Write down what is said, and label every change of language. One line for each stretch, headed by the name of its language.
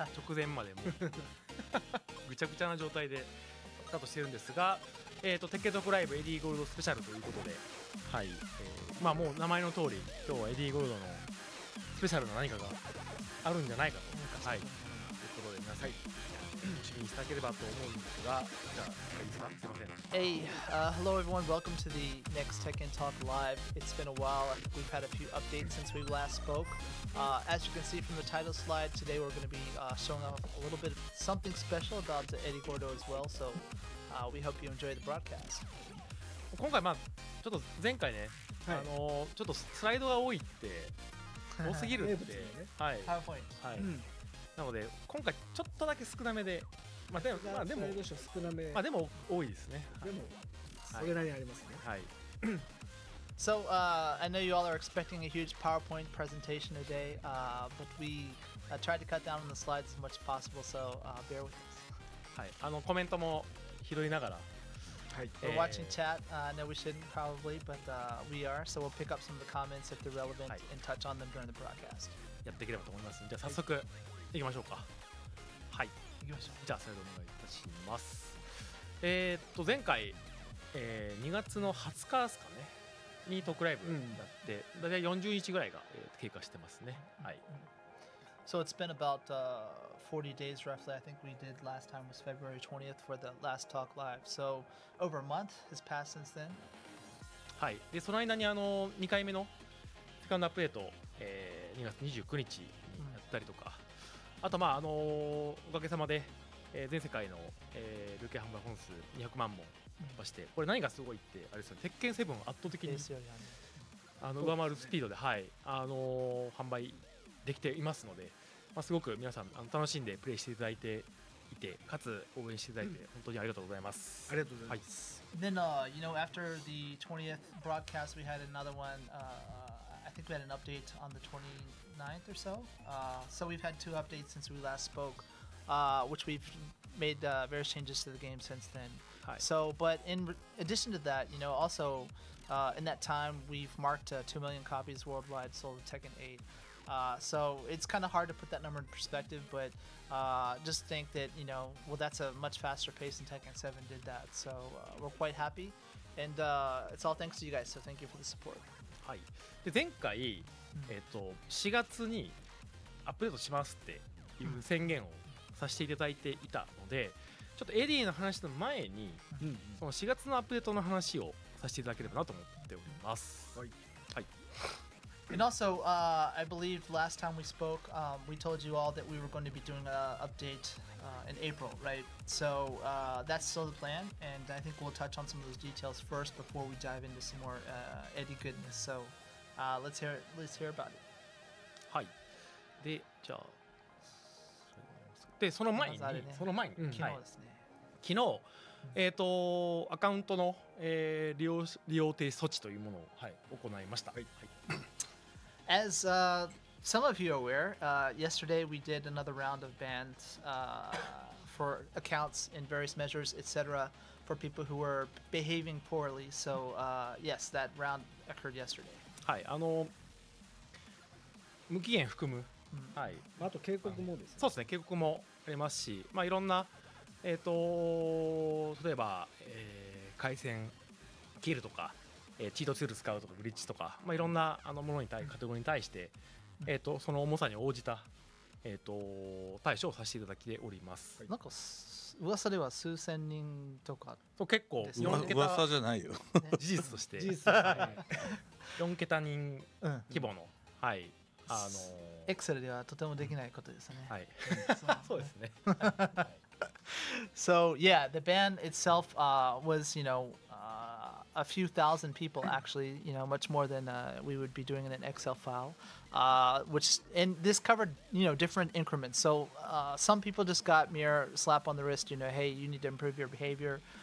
Japanese: 直前までもうぐちゃぐちゃな状態でスタートしてるんですが、鉄拳トークライブエディーゴールドスペシャルということで、はい、まあもう名前の通り今日はエディーゴールドのスペシャルの何かがあるんじゃないかと、はい、ということで皆さん楽しみにしていただければと思うんですが、じゃあいいですか。すいません。
English: Hey、Hello everyone, welcome to the next Tekken Talk Live. It's been a while, we've had a few updates since we last spoke. As you can see from the title slide, today we're going to be showing off a little bit of something special about the Eddie Gordo as well. So、we hope you enjoy the broadcast.
Japanese: 今回まあちょっと前回ね、はい、ちょっとスライドが多いって多すぎるって、ね、はい、パワーポイント、はい、うん、なので今回ちょっとだけ少なめで、まあでも、まあでも少なめ、まあでも多いですね。でもそれなりにありますね。はい。
English: So, I know you all are expecting a huge PowerPoint presentation today, but we tried to cut down on the slides as much as possible, so bear with us.
Japanese: はい。コメントも拾いながら。
English: We're watching chat. I know we shouldn't probably, but we are. So we'll pick up some of the comments if they're relevant、はい、and touch on them during the broadcast.
Japanese: やっていければと思います。じゃあ早速、はい、行きましょうか。はい。行きましょう。じゃあ再度お願いいたします。前回、2月の20日ですかね、にトークライブだって、うん、大体40日ぐらいが、経過してますね。はい。
English: So it's been about 40 days roughly. I think we did last time was February 20th for the last talk live. So over a month has passed since then.
Japanese: はい。で、その間に2回目のセカンドアップデート、2月29日にやったりとか、うん、あとまあおかげさまで、全世界の、累計販売本数200万本突破して、うん、これ何がすごいってあれですよね。鉄拳7圧倒的にですよ、ね、上回るスピードで、はい、販売できていますので、まあ、すごく皆さん楽しんでプレイしていただいていて、かつ応援していただいて本当にありがとうございます。うん、ありがとうございます。
English: はい、Then, you know, after the 20th broadcast, we had another one. I think we had an update on the 29th or so. So we've had two updates since we last spoke, which we've made various changes to the game since then.
Japanese: はい、
English: so, but in addition to that, you know, also, in that time, we've marked 2 million copies worldwide sold of Tekken 8. So it's kind of hard to put that number in perspective, but just think that, you know, well, that's a much faster pace than Tekken 7 did that. So we're quite happy. And it's all thanks to you guys. So thank you for the support.
Japanese: はい。で、前回、4月にアップデートしますっていう宣言をさせていただいていたので、ちょっとエディの話の前に、その4月のアップデートの話をさせていただければなと思っております。はい。はい。
English: And also, I believe last time we spoke, we told you all that we were going to be doing an update in April, right? So that's still the plan, and I think we'll touch on some of those details first before we dive into some more Eddie goodness. So let's hear about it.
Japanese: はい。で、じゃあ、で、その前に、まずあれね、その前に、うん、昨日ですね。はい、昨日、アカウントの、利用停止措置というものを、はい、行いました。はい。はい。
English: As some of you are aware, yesterday we did another round of bans for accounts and various measures, etc., for people who were behaving poorly. So, yes, that round occurred yesterday.
Japanese: はい、無期限含む、はい、あと警告もですね。そうですね、警告もありますし、まあいろんな、例えば、回線切るとか、チートツール使うとかブリッジとか、まあ、いろんなものに対カテゴリーに対して、その重さに応じた、対処をさせていただいております。なんか噂では数千人とか、そう、結構 4桁、噂じゃないよ、事実として事実、はい、4桁人規模の、うん、はい、エクセルではとてもできないことですね、はい、そうですね、
English: So yeah, the ban itself was, you know, a few thousand people actually, you know, much more than we would be doing in an Excel file, which, and this covered, you know, different increments. So some people just got mere slap on the wrist, you know, hey, you need to improve your behavior.